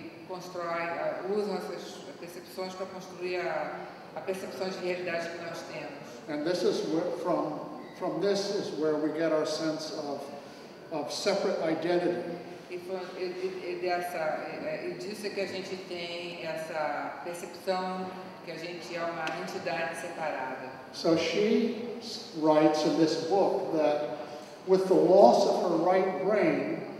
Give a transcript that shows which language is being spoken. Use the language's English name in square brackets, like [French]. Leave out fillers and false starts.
[Portuguese] Usam essas percepções para construir a percepção de realidade que nós temos. [English] And this is where, from this is where we get our sense of separate identity. [Portuguese] E disso é que a gente tem essa percepção que a gente é uma entidade separada. [English] So she writes in this book that with the loss of her right brain,